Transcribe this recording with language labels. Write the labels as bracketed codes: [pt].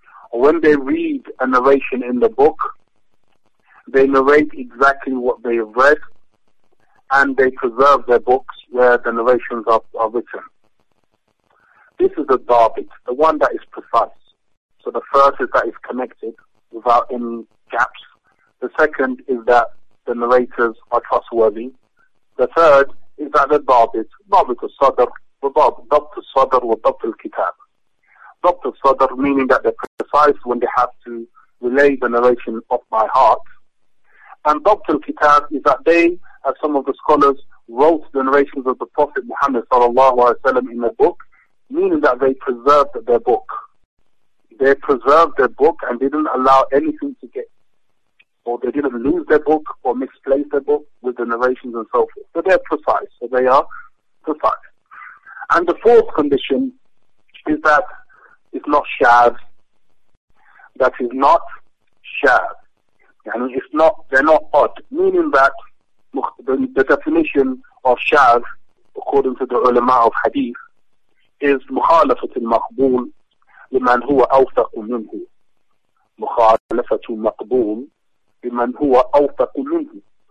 [en] Or when they read a narration in the book, they narrate exactly what they have read, and they preserve their books where the narrations are written. This is a dabit, the one that is precise. So the first is that it's connected without any gaps. The second is that the narrators are trustworthy. The third [ar] بعد الضابط، ضابط الصدر وضابط ضبط الصدر وضبط الكتاب. [en] ضبط الصدر meaning that the precise when they have to relay the narration of my heart. And ضبط الكتاب is that they, as some of the scholars, wrote the narrations of the Prophet Muhammad صلى الله عليه وسلم in a book, meaning that they preserved their book. They preserved their book and didn't allow anything to get, or they didn't lose their book or misplace their book with the narrations and so forth. So they're precise. So they are precise. And the fourth condition is that it's not shad. That is not shad. And it's not, they're not odd. Meaning that the definition of shad, according to the ulama of hadith, is [ar] مخالفه المقبول لمن هو اوثق منه. مخالفه المقبول لمن هو اوثق منه.